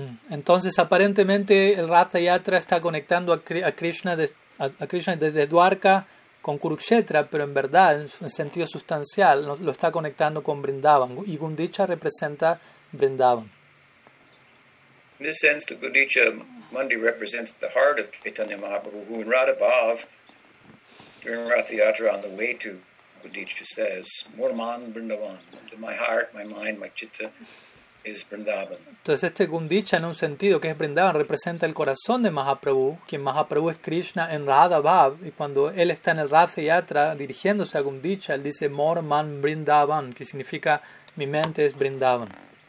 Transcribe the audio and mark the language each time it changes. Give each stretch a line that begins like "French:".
Spanish: Entonces, aparentemente, el Ratha Yatra está conectando a Krishna desde Dwarka con Kurukshetra, pero en verdad, en sentido sustancial, lo está conectando con Vrindavan, y Gundicha representa Vrindavan.
English: In this sense, the Gundicha Mandi represents the heart of Chaitanya Mahaprabhu, who in Radha Bhav, during Ratha Yatra on the way to Gundicha, says, Murman Vrindavan, my heart, my mind, my chitta, is Vrindavan.
Spanish: Entonces este Gundicha en un sentido que es Vrindavan representa el corazón de Mahaprabhu, quien Mahaprabhu es Krishna en Radha Bhav, y cuando él está en el Ratha Yatra dirigiéndose a Gundicha, él dice Mor Man Vrindavan, que significa mi mente es Vrindavan.